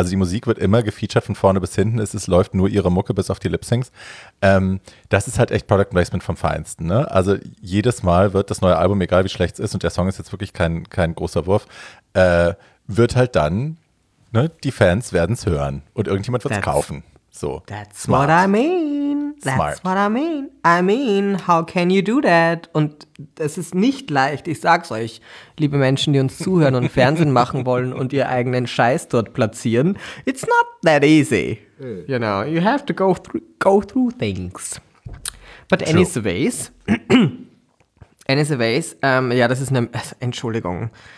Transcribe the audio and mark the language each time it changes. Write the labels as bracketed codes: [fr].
[de] Also die Musik wird immer gefeatured von vorne bis hinten. Es läuft nur ihre Mucke bis auf die Lip-Syncs. Das ist halt echt Product Placement vom Feinsten, ne? Also jedes Mal wird das neue Album, egal wie schlecht es ist, und der Song ist jetzt wirklich kein großer Wurf, wird halt dann, ne, die Fans werden es hören und irgendjemand wird es kaufen. So. [en] That's smart. What I mean. That's smart. What I mean. I mean, how can you do that? [de] Und es ist nicht leicht, ich sag's euch, liebe Menschen, die uns zuhören und Fernsehen machen wollen und ihr eigenen Scheiß dort platzieren. [en] It's not that easy. You know, you have to go through things. But anyways, [de] ja, das ist eine Entschuldigung.